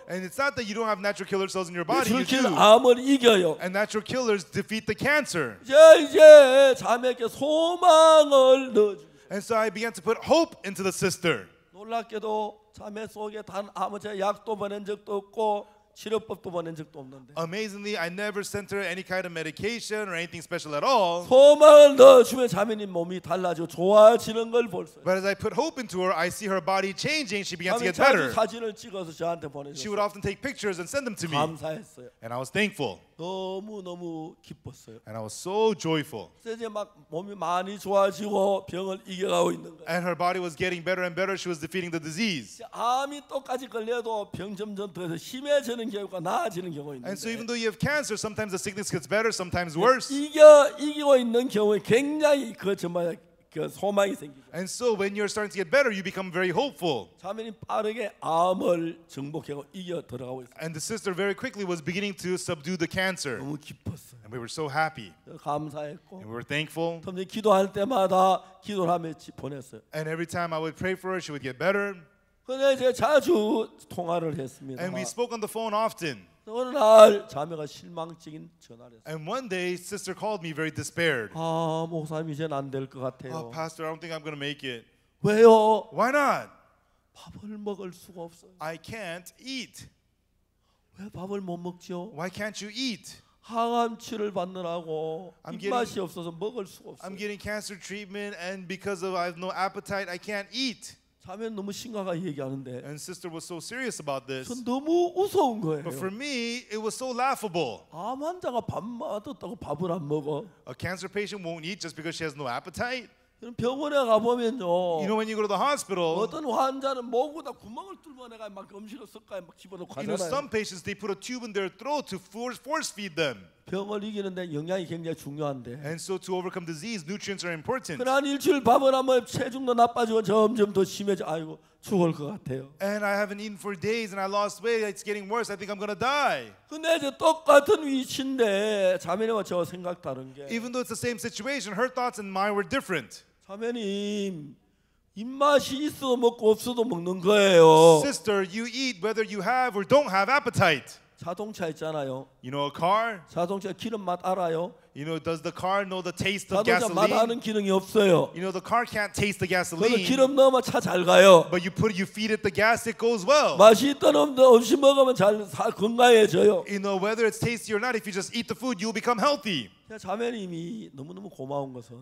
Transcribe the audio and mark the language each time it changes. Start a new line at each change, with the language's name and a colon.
English: And it's not that you don't have natural killer cells in your body. And natural killers defeat the cancer.
Korean: 이제 자매에게 소망을 넣어.
English: And so I began to put hope into the sister.
Korean: 놀랍게도 자매 속에 단 아무제 약도 보낸 적도 없고 치료법도 보낸 적도 없는데.
English: Amazingly, I never sent her any kind of medication or anything special at all.
Korean: 소망을 넣어주면 자매님 몸이 달라져 좋아지는 걸 볼세.
English: But as I put hope into her, I see her body changing. She began to get better.
Korean: 사진을 찍어서 저한테 보내줬어.
English: She would often take pictures and send them to me.
Korean: 감사했어요.
English: And I was thankful.
Korean: 너무 너무 기뻤어요.
English: And I was so joyful.
Korean: 이제 막 몸이 많이 좋아지고 병을 이겨가고 있는 거야.
English: And her body was getting better and better. She was defeating the disease.
Korean: 암이 똑같이 걸려도 병 점점 더해서 심해지는 경우가 나아지는 경우 있는데.
English: And so even though you have cancer, sometimes the sickness gets better, sometimes worse.
Korean: 이기고 있는 경우에 굉장히 그 정말 그 소망이 생기죠.
English: And so when you're starting to get better, you become very hopeful.
Korean: 자매님 빠르게 암을 정복하고 이겨 들어가고 있어요.
English: And the sister very quickly was beginning to subdue the cancer.
Korean: 너무 기뻤어요.
English: And we were so happy.
Korean: 감사했고.
English: And we were thankful.
Korean: 자매님 기도할 때마다 기도를 하며 보냈어요.
English: And every time I would pray for her, she would get better.
Korean: 근데 제가 자주 통화를 했습니다.
English: And we spoke on the phone often.
Korean: 어느 날 자매가 실망적인 전화를 했어요.
English: And one day, sister called me very despaired.
Korean: 아, 목사님 이제는 안 될 것 같아요.
English: Oh, pastor, I don't think I'm going to make it.
Korean: 왜요?
English: Why not?
Korean: 밥을 먹을 수가 없어요.
English: I can't eat.
Korean: 왜 밥을 못 먹죠?
English: Why can't you eat?
Korean: 항암 치료를 받느라고 입맛이 없어서 먹을 수가 없어요.
English: I'm getting cancer treatment and because of I have no appetite, I can't eat.
Korean: 자매는 너무 심각하게 얘기하는데
English: And sister was so serious about this.
Korean: 너무 웃어온 거예요.
English: But for me, it was so laughable.
Korean: 암 환자가 밥 맛없다고 밥을 안 먹어.
English: A cancer patient won't eat just because she has no appetite.
Korean: 병원에 가보면요.
English: You know when you go to the hospital.
Korean: 어떤 환자는 먹으다 구멍을 뚫어내가 막 음식을 섞어 막 집어넣고 가잖아요.
English: You know some patients they put a tube in their throat to force feed them.
Korean: 병을 이기는데 영양이 굉장히 중요한데.
English: And so to overcome disease, nutrients are important.
Korean: 그러나 일주일 밥을 안 먹으면 체중도 나빠지고 점점 더 심해져 아이고 죽을 것 같아요.
English: And I haven't eaten for days and I lost weight. It's getting worse. I think I'm gonna die.
Korean: 근데 이제 똑같은 위치인데 자매님과 저 생각 다른 게.
English: Even though it's the same situation, her thoughts and mine were different.
Korean: 자매님 입맛이 있어 먹고 없어도 먹는 거예요.
English: Sister, you eat whether you have or don't have appetite.
Korean: 자동차 있잖아요.
English: You know a car?
Korean: 자동차 기름 맛 알아요.
English: You know does the car know the taste of gasoline?
Korean: 자동차 맛 아는 기능이 없어요.
English: You know the car can't taste the gasoline.
Korean: 기름 넣으면 차 잘 가요.
English: But you put you feed it the gas, it goes well.
Korean: 맛있던 음식 먹으면 잘 건강해져요.
English: You know whether it's tasty or not, if you just eat the food, you'll become healthy.
Korean: 자매님이 너무너무 고마운 것은